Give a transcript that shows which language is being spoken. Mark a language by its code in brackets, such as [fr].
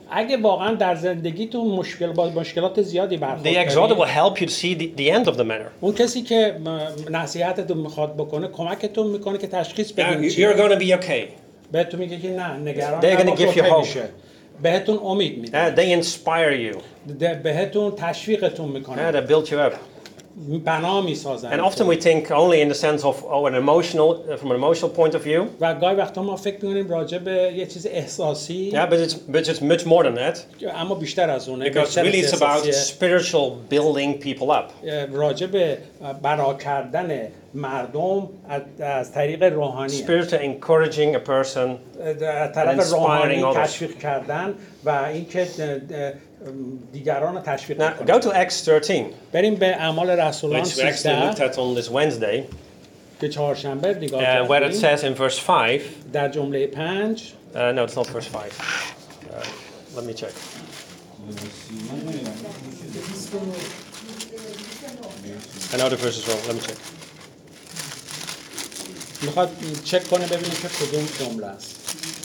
[fa] اگه واقعا در زندگیتون مشکلات زیادی برخورد کنید, [en] the exhorter will help you to see the end of the matter. [fa] اون کسی که نصیحتتون میخواد بکنه کمکتون میکنه که تشخیص بدین چیه. [en] You're going to be okay. [fa] بهتون میگه که نه نگران نباش. [en] They're going to give you hope. [fa] بهتون امید میده. [en] They inspire you. [fa] بهتون تشویقتون میکنه. [en] They build you up. [fa] بنا میسازن. [en] And often we think only in the sense of from an emotional point of view. [fa] و گاهی وقتا ما فکر میکنیم راجع به یه چیز احساسی. [en] Yeah, but it's much more than that. [fa] اما بیشتر از اونه. [en] Because really it's about spiritual building people up. [fa] راجع به بنا کردن مردم از طریق روحانی. [en] Spiritual encouraging a person. [fa] از طریق روحانی تشویق کردن و اینکه دیگران رو تشویق کنه. [en] Go to Acts 13. [fa] بریم به اعمال رسولان 13. [en] Which we actually looked at on this Wednesday. [fa] که چهارشنبه دیگه. [en] Where it says in verse 5. [fa] در جمله 5. [en] No, it's not verse 5. Let me check. I know the verse is wrong. Let me check. [fa] میخواد چک کنه ببینه که کدوم جمله است.